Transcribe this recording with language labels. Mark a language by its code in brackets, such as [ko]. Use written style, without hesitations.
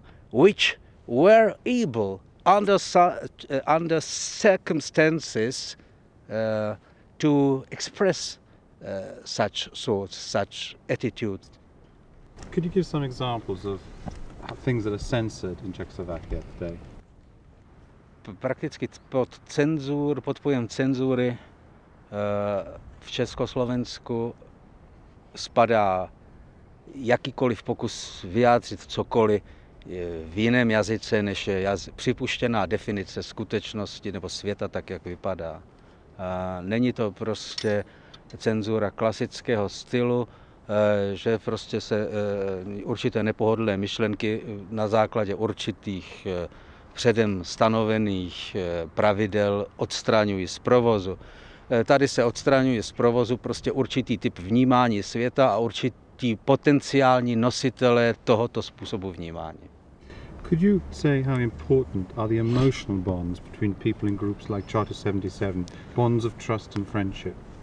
[en] which were able under circumstances to express such thoughts, such attitudes. Could you give some examples of things that are censored in Czechoslovakia today? [cs] Prakticky pod pojem cenzury v Československu spadá jakýkoliv pokus vyjádřit cokoliv v jiném jazyce, než je připuštěná definice skutečnosti nebo světa, tak jak vypadá. Není to prostě cenzura klasického stylu, že prostě se určité nepohodlné myšlenky na základě určitých předem stanovených pravidel odstraňují z provozu. Tady se odstraňuje z provozu prostě určitý typ vnímání světa a určitý potenciální nositelé tohoto způsobu vnímání. [en] Could you say how important are the emotional bonds between people in groups like Charter 77, bonds of trust and friendship?